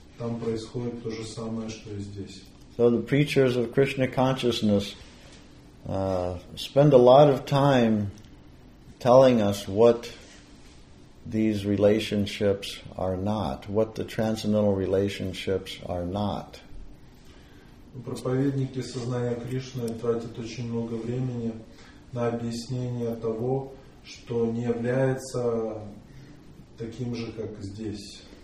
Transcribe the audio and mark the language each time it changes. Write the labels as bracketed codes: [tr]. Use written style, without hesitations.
[ru] Там происходит то же самое, что и здесь. [en] So the preachers of Krishna consciousness spend a lot of time telling us what these relationships are not, what the transcendental relationships are not. [ru] Проповедники сознания Кришны тратят очень много времени на объяснение того, что не является таким же, как здесь.